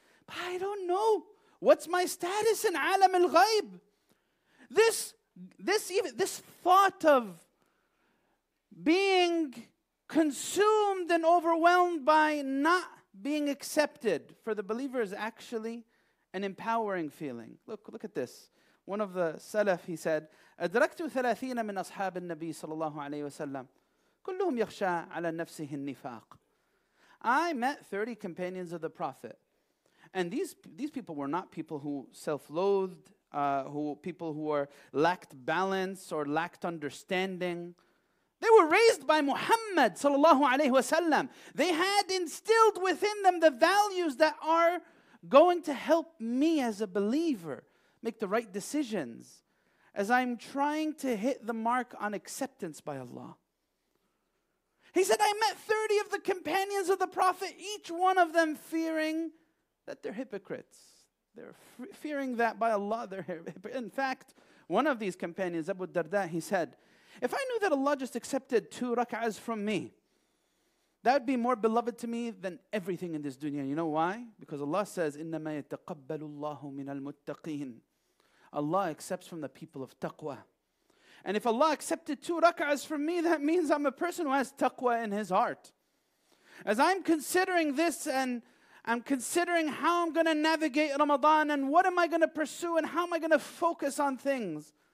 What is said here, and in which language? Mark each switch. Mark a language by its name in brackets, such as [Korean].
[English] But I don't know what's my status in Alam al-Ghayb. This thought of being consumed and overwhelmed by not being accepted for the believer is actually an empowering feeling. Look at this. One of the Salaf, he said, [Arabic] أَدْرَكْتُ ثَلَاثِينَ مِنْ أَصْحَابِ النَّبِيِّ صَلَى اللَّهُ عَلَيْهِ وَسَلَّمْ كُلُّهُمْ يَخْشَى عَلَى نَفْسِهِ النِّفَاقِ. [English] I met 30 companions of the Prophet. And these people were not people who self-loathed, people who lacked balance or lacked understanding. They were raised by Muhammad sallallahu alayhi wasallam. They had instilled within them the values that are going to help me as a believer make the right decisions as I'm trying to hit the mark on acceptance by Allah. He said, I met 30 of the companions of the Prophet, each one of them fearing that they're hypocrites. They're fearing that by Allah they're hypocrites. In fact, one of these companions, Abu Darda, he said, if I knew that Allah just accepted 2 rak'ahs from me, that would be more beloved to me than everything in this dunya. You know why? Because Allah says, [Arabic] إِنَّمَا يَتَقَبَّلُ اللَّهُ مِنَ الْمُتَّقِينَ. [English] Allah accepts from the people of taqwa. And if Allah accepted 2 rak'ahs from me, that means I'm a person who has taqwa in his heart. As I'm considering this and I'm considering how I'm going to navigate Ramadan and what am I going to pursue and how am I going to focus on things.